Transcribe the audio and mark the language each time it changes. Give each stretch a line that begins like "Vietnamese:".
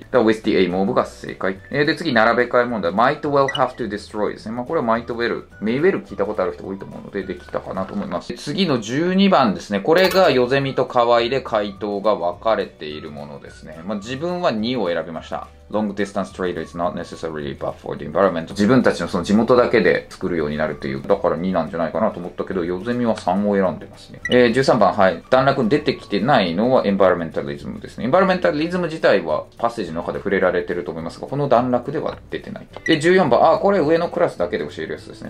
Japanese: だから with the aim of が正解。で次、並べ替え問題、 might well have to destroy ですね。まあこれは might well、 may well 聞いたことある人多いと思うので、できたかなと思います。次の12番ですね。これがヨゼミと河合で回答が分かれているものですね。まあ自分は2を選びました。
English: Long distance trail is not necessarily bad for the environment.
Japanese: 自分たちのその地元だけで作るようになるという、だから2なんじゃないかなと思ったけど、ヨゼミは3を選んでますね。 13番、はい。段落に出てきてないのは environmentalism ですね。 environmentalism 自体はパッセージの中で触れられてると思いますが、この段落では出てない。で、14番、あ、これ上のクラスだけで教えるやつですね。